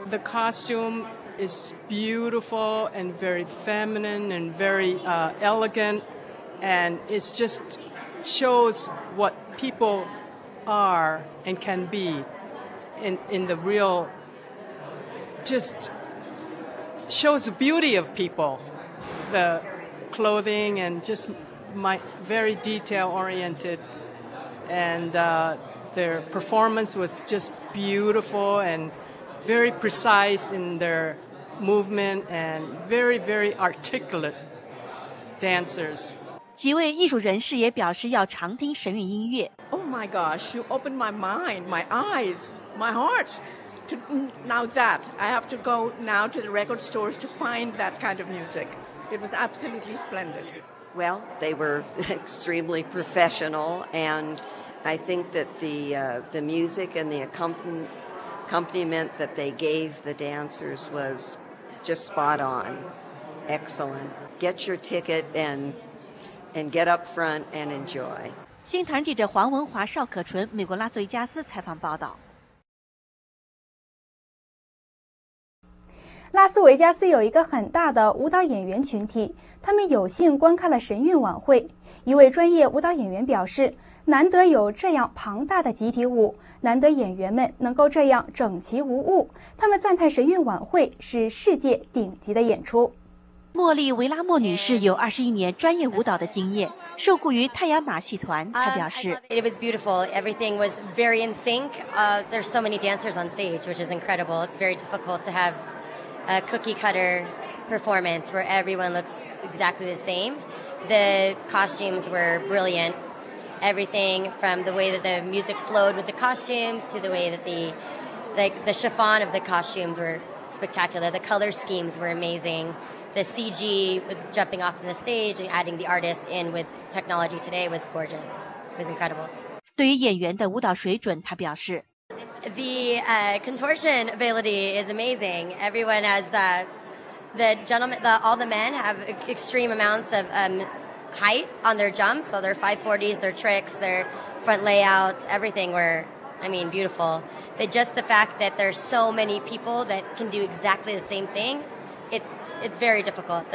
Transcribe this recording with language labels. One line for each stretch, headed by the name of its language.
English: The costume. It's beautiful and very feminine and very elegant, and it just shows what people are and can be in the real, just shows the beauty of people, the clothing and just my very detail-oriented, and their performance was just beautiful and very precise in their movement and very, very articulate dancers.
Chinese: 几位艺术人士也表示要常听神韵音乐。
English: Oh my gosh, you opened my mind, my eyes, my heart. Now that, I have to go now to the record stores to find that kind of music. It was absolutely splendid. Well, they were extremely professional, and I think that the music and the accompaniment that they gave the dancers was just spot on. Excellent. Get your ticket and get up front and enjoy.
Chinese: 新唐人记者黄文华、邵可纯，美国拉斯维加斯采访报道。拉斯维加斯有一个很大的舞蹈演员群体，他们有幸观看了神韵晚会。一位专业舞蹈演员表示，难得有这样庞大的集体舞，难得演员们能够这样整齐无误。他们赞叹神韵晚会是世界顶级的演出。茉莉·维拉莫女士有21年专业舞蹈的经验，受雇于太阳马戏团。她表示
English: ：“It was beautiful. Everything was very in sync. There's so many dancers on stage, which is incredible. It's very difficult to have a cookie cutter performance where everyone looks exactly the same. The costumes were brilliant. Everything from the way that the music flowed with the costumes to the way that the chiffon of the costumes were spectacular. The color schemes were amazing.” The CG with jumping off the stage and adding the artist in with technology today was gorgeous. It was incredible.
Chinese: 对于演员的舞蹈水准，他表示
English: ，The contortion ability is amazing. Everyone has all the men have extreme amounts of height on their jumps, so their 540s, their tricks, their front layouts, everything were, I mean, beautiful. But just the fact that there's so many people that can do exactly the same thing, It's very difficult.